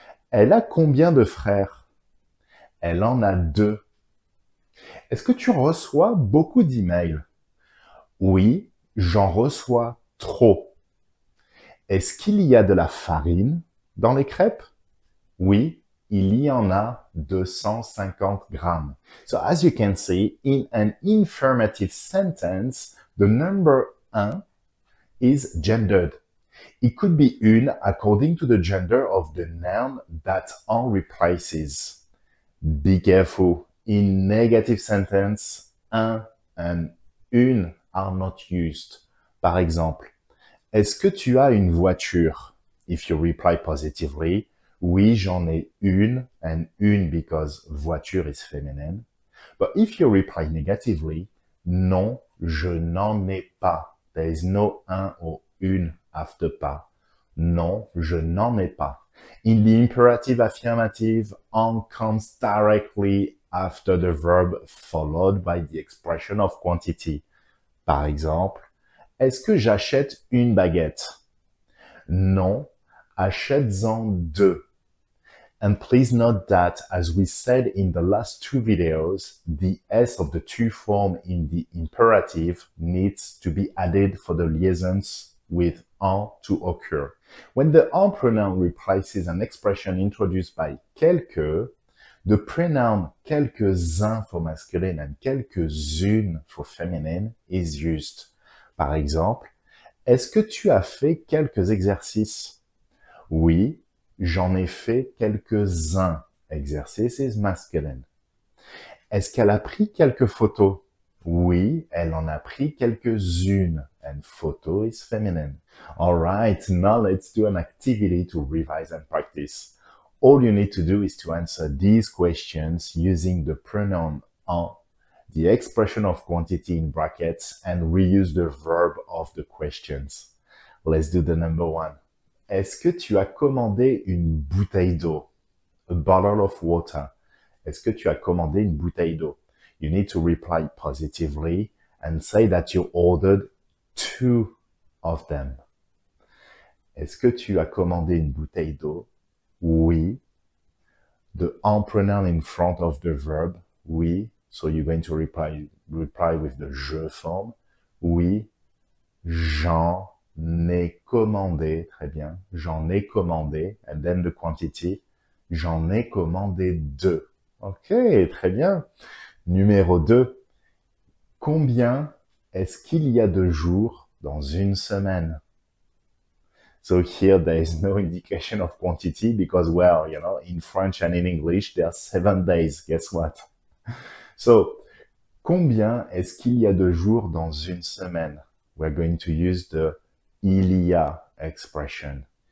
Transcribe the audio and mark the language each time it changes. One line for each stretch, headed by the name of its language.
French: Elle a combien de frères? Elle en a deux. Est-ce que tu reçois beaucoup d'emails? Oui, j'en reçois trop. Est-ce qu'il y a de la farine dans les crêpes? Oui, il y en a 250 grammes.
English: So as you can see, in an affirmative sentence, the number 1 is gendered. It could be une according to the gender of the noun that en replaces. Be careful. In negative sentence, un and une are not used.
French: Par exemple, est-ce que tu as une voiture?
English: If you reply positively,
French: oui, j'en ai une,
English: and une because voiture is feminine. But if you reply negatively,
French: non, je n'en ai pas.
English: There is no un or une after pas.
French: Non, je n'en ai pas.
English: In the imperative affirmative, en comes directly after the verb followed by the expression of quantity.
French: Par exemple, est-ce que j'achète une baguette? Non, achète-en deux.
English: And please note that, as we said in the last two videos, the S of the to form in the imperative needs to be added for the liaisons with en to occur. When the en pronoun replaces an expression introduced by quelque, the pronoun quelques-uns for masculine and quelques-unes for feminine is used.
French: Par exemple, est-ce que tu as fait quelques exercices? Oui, j'en ai fait quelques-uns.
English: Exercice is masculine.
French: Est-ce qu'elle a pris quelques photos? Oui, elle en a pris quelques-unes.
English: And photo is feminine. Alright, now let's do an activity to revise and practice. All you need to do is to answer these questions using the pronoun en, the expression of quantity in brackets, and reuse the verb of the questions. Let's do the number one.
French: Est-ce que tu as commandé une bouteille d'eau?
English: A bottle of water.
French: Est-ce que tu as commandé une bouteille d'eau?
English: You need to reply positively and say that you ordered two of them.
French: Est-ce que tu as commandé une bouteille d'eau? Oui,
English: the en pronoun in front of the verb, oui. So you're going to reply with the je form.
French: Oui, j'en ai commandé. Très bien. J'en ai commandé.
English: And then the quantity.
French: J'en ai commandé deux. Ok, très bien. Numéro 2. Combien est-ce qu'il y a de jours dans une semaine?
English: So here there is no indication of quantity because, well, you know, in French and in English, there are 7 days. Guess what?
French: So, combien est-ce qu'il y a de jours dans une semaine?
English: We're going to use the il y a expression.